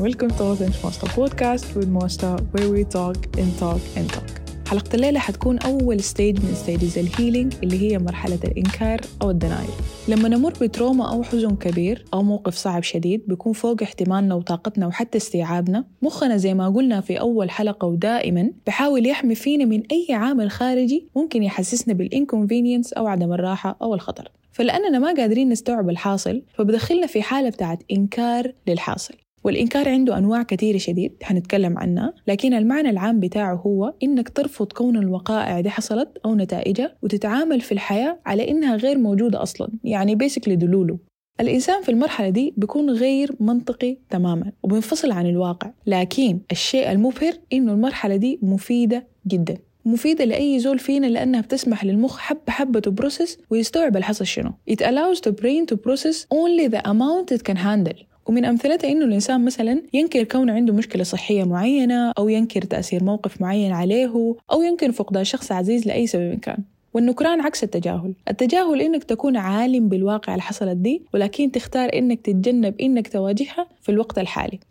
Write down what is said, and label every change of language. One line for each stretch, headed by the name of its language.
English: Welcome to Authentic Mosta Podcast with Mosta, where we talk and talk and talk.
Arabic: حلقة الليلة حتكون أول
English: stage
Arabic: من
English: stages الهيلينج
Arabic: اللي هي مرحلة الإنكار أو
English: الدنايل.
Arabic: لما نمر بتروما أو حزن كبير أو موقف صعب شديد بيكون فوق احتمالنا وطاقتنا وحتى استيعابنا. مخنا زي ما قلنا في أول حلقة ودائما بحاول يحمي فينا من أي عامل خارجي ممكن يحسسنا
English: بالإنكونفينينس
Arabic: أو عدم الراحة أو الخطر. فلأننا ما قادرين نستوعب الحاصل فبدخلنا في حالة بتاعت إنكار للحاصل. والإنكار عنده أنواع كثيرة شديد هنتكلم عنها، لكن المعنى العام بتاعه هو إنك ترفض كون الوقائع دي حصلت أو نتائجها وتتعامل في الحياة على إنها غير موجودة أصلاً، يعني
English: basically
Arabic: دلوله. الإنسان في المرحلة دي بيكون غير منطقي تماماً وبينفصل عن الواقع، لكن الشيء المبهر إنه المرحلة دي مفيدة جداً، مفيدة لأي زول فينا لأنها بتسمح للمخ حب حبة
English: to process
Arabic: ويستوعب الحصل شنو.
English: It allows the brain to process only the amount it can handle.
Arabic: ومن أمثلتها إنه الإنسان مثلاً ينكر كون عنده مشكلة صحية معينة أو ينكر تأثير موقف معين عليه أو ينكر فقدان شخص عزيز لأي سبب كان. والنكران عكس التجاهل. التجاهل إنك تكون عالم بالواقع اللي حصلت دي ولكن تختار إنك تتجنب إنك تواجهها في الوقت الحالي.